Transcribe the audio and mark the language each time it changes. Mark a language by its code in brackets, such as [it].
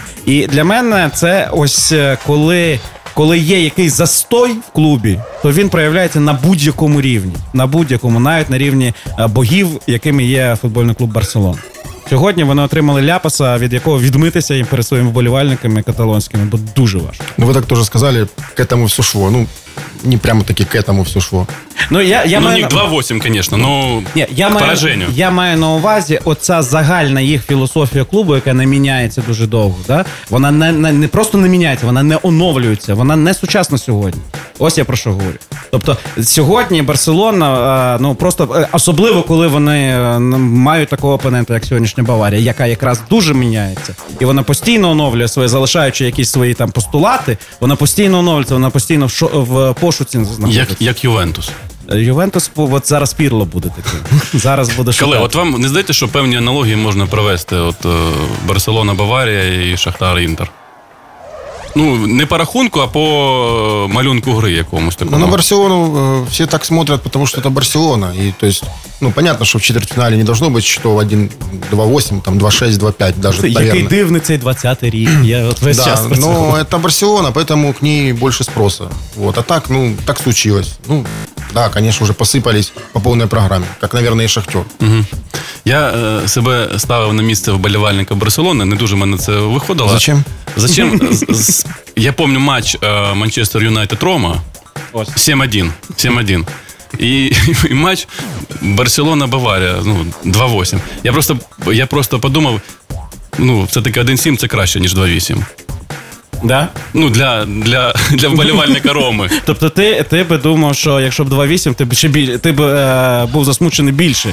[uk] І для мене це ось коли є якийсь застой в клубі, то він проявляється на будь-якому рівні. На будь-якому, навіть на рівні богів, якими є футбольний клуб «Барселона». Сьогодні вони отримали ляпаса, від якого відмитися їм перед своїми вболівальниками каталонськими, бо дуже важко. [ru] Ну, ви так теж сказали, к этому все шло. Ну, не прямо таки к этому все шло. [uk] Ну, я ну, маю... не 2-8, звісно, ну, пораженню. Я маю на увазі оця загальна їх філософія клубу, яка не міняється дуже довго. Да? Вона не просто не міняється, вона не оновлюється, вона не сучасна сьогодні. Ось я про що говорю. Тобто, сьогодні Барселона, ну, просто особливо, коли вони мають такого опонента, як сьогоднішня Баварія, яка якраз дуже міняється, і вона постійно оновлює своє, залишаючи якісь свої там постулати, вона постійно оновлюється, вона постійно в пошуці знаходиться. Як Ювентус. Ювентус, от зараз Пірло буде таким. Зараз буде шукати. Коли, от вам не здаєте, що певні аналогії можна провести? От Барселона-Баварія і Шахтар-Інтер. Ну, не по рахунку, а по малюнку гри якомусь такому. [ru] Ну, на Барселону все так смотрят, потому что это Барселона. И, то есть, ну, понятно, что в четвертьфинале не должно быть счетов 1-2-8, там, 2-6, 2-5 даже, это, наверное. [uk] Який дивний цей 20-й рік. Я весь час про це. [ru] Ну, это Барселона, поэтому к ней больше спроса. Вот, а так, ну, так случилось. Ну, да, конечно, уже посыпались по полной программе, как, наверное, и Шахтер. Угу. [uk] Я себе ставив на місце вболівальника Барселони, не дуже мене це виходило. [ru] Зачем? Зачем? Я помню матч Манчестер Юнайтед Рома 7-1. [uk] І матч Барселона-Баварія, ну, 2-8. Я просто подумав, ну, все-таки 1-7 це краще, ніж 2-8. Да? Ну, для вболівальника Роми. Тобто ти би думав, що якщо б 2-8, ти би був засмучений більше.